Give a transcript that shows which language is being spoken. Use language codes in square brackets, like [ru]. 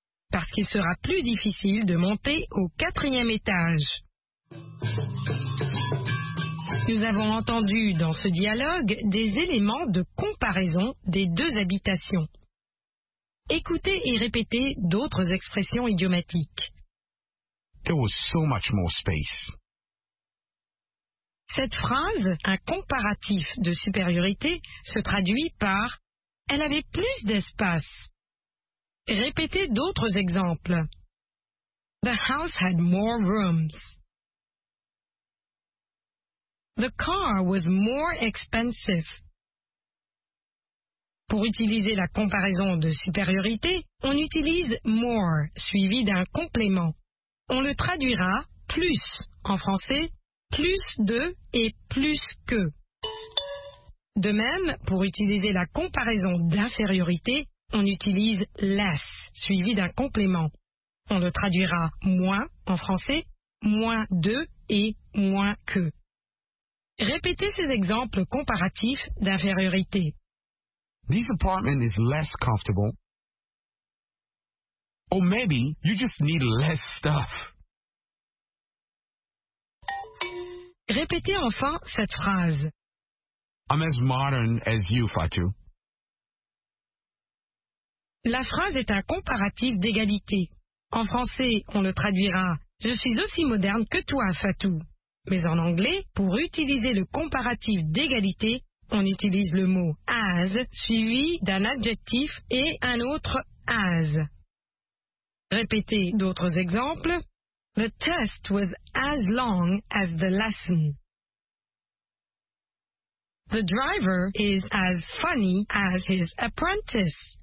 [fr] Parce qu'il sera plus difficile de monter au quatrième étage. Nous avons entendu dans ce dialogue des éléments de comparaison des deux habitations. Écoutez et répétez d'autres expressions idiomatiques. [en] There was so much more space. [fr] Cette phrase, un comparatif de supériorité, se traduit par « Elle avait plus d'espace ». Répétez d'autres exemples. [en] The house had more rooms. The car was more expensive. [fr] Pour utiliser la comparaison de supériorité, on utilise more suivi d'un complément. On le traduira plus en français, plus de et plus que. De même, pour utiliser la comparaison d'infériorité, on utilise less suivi d'un complément. On le traduira moins en français, moins de et moins que. Répétez ces exemples comparatifs d'infériorité. [en] This apartment is less comfortable. Or maybe you just need less stuff. [fr] Répétez enfin cette phrase. [en] I'm as modern as you, Fatou. [fr] La phrase est un comparatif d'égalité. En français, on le traduira « Je suis aussi moderne que toi, Fatou ». Mais en anglais, pour utiliser le comparatif d'égalité, on utilise le mot « as » suivi d'un adjectif et un autre « as ». Répétez d'autres exemples. [en] The test was as long as the lesson. The driver is as funny as his apprentice.